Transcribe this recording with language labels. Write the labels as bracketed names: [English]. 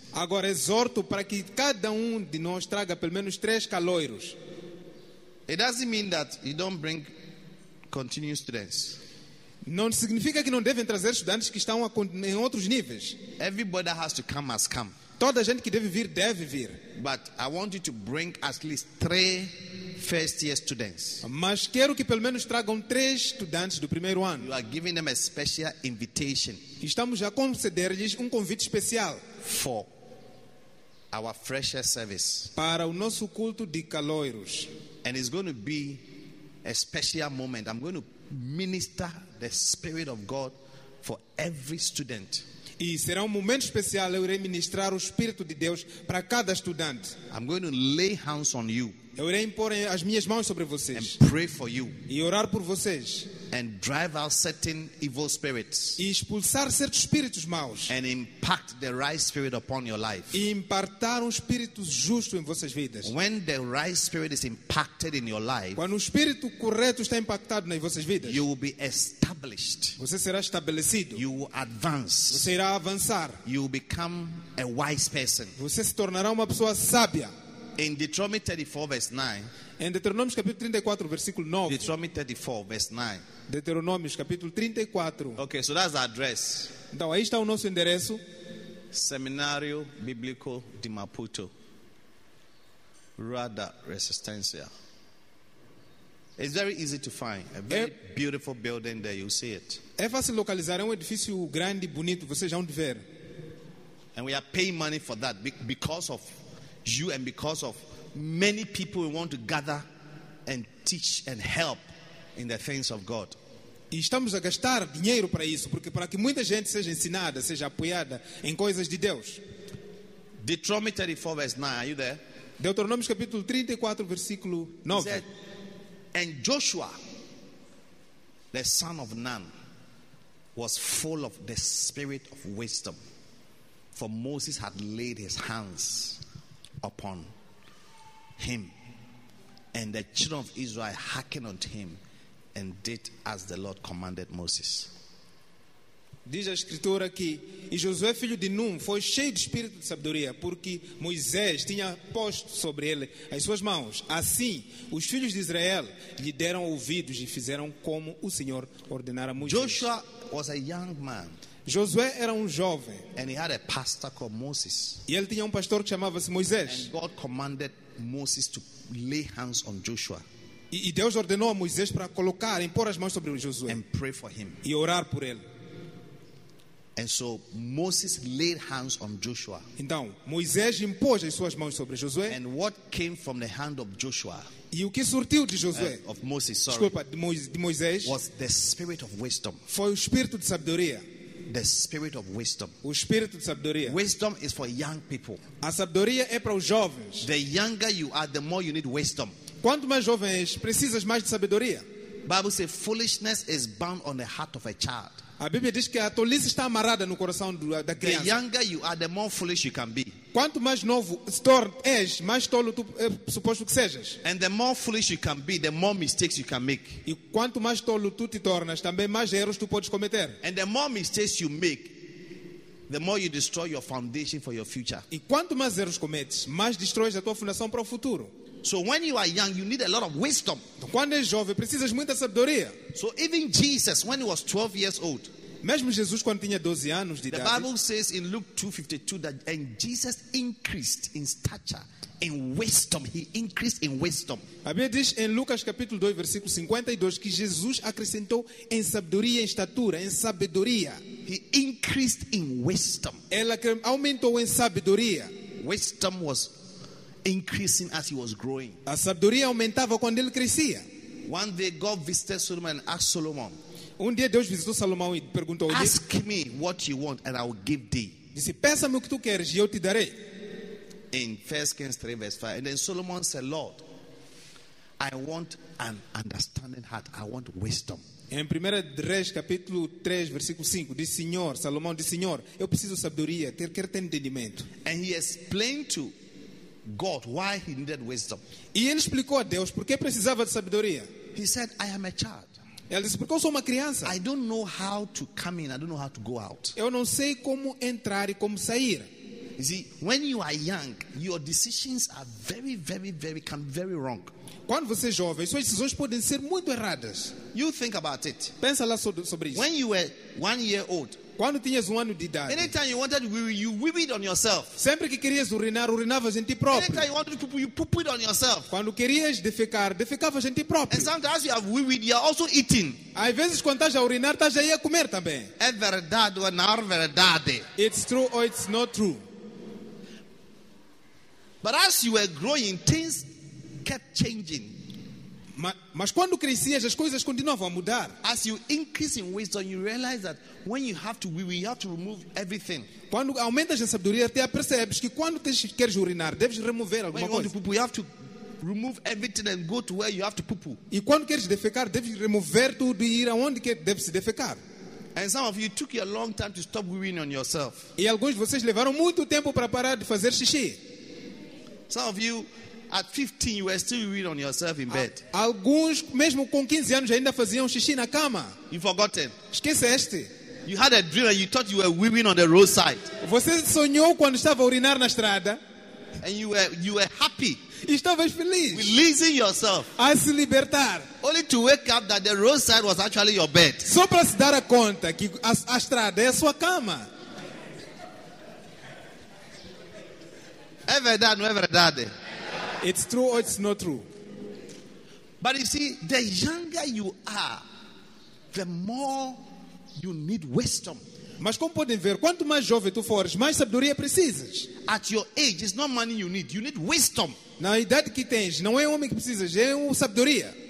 [Portuguese] Agora exorto para que cada de nós traga pelo menos 3 caloiros. [English] It doesn't mean that you don't bring continuing students. [Portuguese] Não significa que não devem trazer estudantes que estão em outros níveis. [English] Everybody has to come as come. [Portuguese] Toda gente que deve vir. [English] But I want you to bring at least 3 first year students. [Portuguese] Mas quero que pelo menos tragam 3 estudantes do primeiro ano. [English] You are giving them a special invitation. [Portuguese] Estamos a conceder-lhes convite especial. [English] For our fresher service. [Portuguese] Para o nosso culto de caloiros. [English] And it's going to be a special moment. I'm going to minister the Spirit of God for every student. [Portuguese] E será momento especial, eu irei ministrar o Espírito de Deus para cada estudante. [English] I'm going to lay hands on you. [Portuguese] Eu irei impor as minhas mãos sobre vocês. [English] And pray for you. [Portuguese] E orar por vocês. [English] And drive out certain evil spirits. [Portuguese] E expulsar certos espíritos maus. [English] And impact the right spirit upon your life. [Portuguese] E impartar espírito justo em vossas vidas. [English] When the right spirit is impacted in your life. [Portuguese] Quando espírito correto está impactado nas vossas vidas. [English] You will be established. [Portuguese] Você será estabelecido. [English] You will advance. [Portuguese] Você irá avançar. [English] You will become a wise person. [Portuguese] Você se tornará uma pessoa sábia. [English] In Deuteronomy 34 verse 9. [Portuguese] Em Deuteronômio capítulo 34 versículo 9. [English] Deuteronomy 34 verse 9. [Portuguese] Deuteronômio capítulo 34. [English] Okay, so that's the address. [Portuguese] Então aí está o nosso endereço. Seminário Bíblico de Maputo. Rada Resistência. [English] It's very easy to find. A very beautiful building there, you see it. [Portuguese] É fácil localizar, é edifício grande e bonito, vocês já vão ver. [English] And we are paying money for that because of you and because of many people who want to gather and teach and help in the things of God. [Portuguese] E estamos a gastar dinheiro para isso, porque para que muita gente seja ensinada, seja apoiada em coisas de Deus. [English] Deuteronomy 34 verse 9, are you there? [Portuguese] Deuteronômio capítulo 34 versículo 9. [English] And Joshua the son of Nun was full of the spirit of wisdom, for Moses had laid his hands upon him, and the children of Israel hearkened unto him and did as the Lord commanded Moses. [Portuguese] Diz a escritura que, e Josué filho de Nun foi cheio de espírito de sabedoria, porque Moisés tinha posto sobre ele as suas mãos. Assim os filhos de Israel lhe deram ouvidos e fizeram como o Senhor ordenara a Moisés. [English] Joshua was a young man. [Portuguese] Josué era jovem. [English] And he had a pastor called Moses. [Portuguese] E ele tinha pastor que chamava-se Moisés. [English] And God commanded Moses to lay hands on Joshua. [Portuguese] E Deus ordenou a Moisés para colocar, impor as mãos sobre Josué. [English] And pray for him. [Portuguese] E orar por ele. [English] And so Moses laid hands on Joshua. [Portuguese] Então, Moisés impôs as suas mãos sobre Josué. [English] And what came from the hand of Joshua? [Portuguese] E o que surgiu de Josué? [English] Of Moses, sorry. [Portuguese] Desculpa, de Moisés. [English] Was the spirit of wisdom. [Portuguese] Foi o espírito de sabedoria. [English] The spirit of wisdom. [Portuguese] O espírito de sabedoria. [English] Wisdom is for young people. [Portuguese] A sabedoria é para os jovens. [English] The younger you are, the more you need wisdom. [Portuguese] Quanto mais jovens, precisas mais de sabedoria. [English] Bible says foolishness is bound on the heart of a child. [Portuguese] A Bíblia diz que a tolice está amarrada no coração da criança. [English] The younger you are, the more foolish you can be. [Portuguese] Quanto mais novo és, mais tolo tu é suposto que sejas. [English] And the more foolish you can be, the more mistakes you can make. [Portuguese] E quanto mais tolo tu te tornas, também mais erros tu podes cometer. [English] And the more mistakes you make, the more you destroy your foundation for your future. [Portuguese] E quanto mais erros cometes, mais destróis a tua fundação para o futuro. [English] So when you are young, you need a lot of wisdom. [Portuguese] Quando és jovem, precisas muita sabedoria. [English] So even Jesus, when he was 12 years old, [Portuguese] mesmo Jesus quando tinha 12 anos de idade, [English] the Bible says in Luke 2:52 that and Jesus increased in stature, in wisdom. He increased in wisdom. [Portuguese] A Bíblia diz em Lucas capítulo 2 versículo 52 que Jesus acrescentou em sabedoria, em estatura, em sabedoria. [English] He increased in wisdom. [Portuguese] Ele aumentou em sabedoria. [English] Wisdom was increasing as he was growing. [Portuguese] A sabedoria aumentava quando ele crescia. [English] One day God visited Solomon and asked Solomon. [Portuguese] Dia Deus visitou Salomão e perguntou: [English] ask me what you want and I will give thee. [Portuguese] Disse: peça-me o que tu queres e eu te darei. [English] In 1 Kings 3 verse 5. And then Solomon said, Lord, I want an understanding heart. I want wisdom. [Portuguese] Em 1 Reis, capítulo 3, versículo 5, diz Senhor, Salomão diz, Senhor, eu preciso de sabedoria, quero ter entendimento. [English] And he explained to God why he needed wisdom. [Portuguese] E ele explicou a Deus por que precisava de sabedoria. [English] He said, I am a child. [Portuguese] Ele disse, porque eu sou uma criança. [English] I don't know how to come in, I don't know how to go out. [Portuguese] Eu não sei como entrar e como sair. [English] You see, when you are young, your decisions are very, very, very, can be very wrong. [Portuguese] Quando você é jovem, suas decisões podem ser muito erradas. [English] You think about it. [Portuguese] Pensa lá sobre isso. [English] When you were 1 year old, [Portuguese] quando tinhas 1 ano de idade, [English] anytime you wanted, you whipped on yourself. [Portuguese] Sempre que querias urinar, urinavas em ti próprio. [English] Anytime you wanted to poop, you poop it on yourself. [Portuguese] Quando querias defecar, defecavas em ti próprio. [English] And sometimes you have wee-weed, you are also eating. [Portuguese] Às vezes, quando estás a urinar, estás aí a comer também. É verdade ou não é verdade? [English] It's true or it's not true. But as you were growing, things kept changing. [Portuguese] Mas quando crescias, as coisas continuavam a mudar. [English] As you increase in wisdom, you realize that when you have to, we have to remove everything. [Portuguese] Quando aumentas a sabedoria, até percebes que quando queres urinar, deves remover alguma coisa. [English] When you want to poop, you have to remove everything and go to where you have to poop. [Portuguese] E quando queres defecar, deves remover tudo e ir aonde deves defecar. [English] And some of you took you a long time to stop wee-weeing on yourself. [Portuguese] E alguns de vocês levaram muito tempo para parar de fazer xixi. [English] Some of you at 15 you were still wee-weeing on yourself in bed. [Portuguese] Alguns mesmo com 15 anos ainda faziam xixi na cama. [English] You forgotten. [Portuguese] Esqueceste. [English] You had a dream and you thought you were wee-weeing on the roadside. [Portuguese] Você sonhou quando estava a urinar na estrada. [English] And you were happy. [Portuguese] Estavas feliz. [English] Releasing yourself. [Portuguese] A se libertar. [English] Only to wake up that the roadside was actually your bed. [Portuguese] Só para se dar a conta que a estrada é a sua cama. É verdade, não é verdade. [English] It's true or it's not true. But you see, the younger you are, the more you need wisdom. [Portuguese] Mas como podem ver, quanto mais jovem tu fores, mais sabedoria precisas. [English] At your age, it's not money you need wisdom. [Portuguese] Na idade que tens, não é homem que precisas, é sabedoria.